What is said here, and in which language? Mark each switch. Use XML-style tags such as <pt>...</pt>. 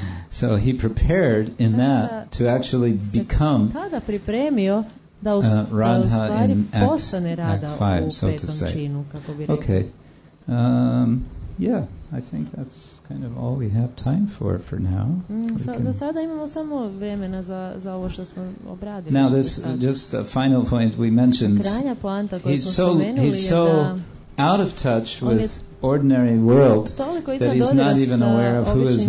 <en>So he prepared in that to actually become Radha in Act 5, so to say. Okay. Yeah, I think that's kind of all we have time for now.</en> <hr>Za sada imamo samo vremena za ovo što smo obradili.</hr> <en>Now this just a final point we mentioned.</en> <hr>Krajnja poanta koju smo spomenuli,</hr> <en>he's so out of touch with ordinary world that he's not even aware of who is</en>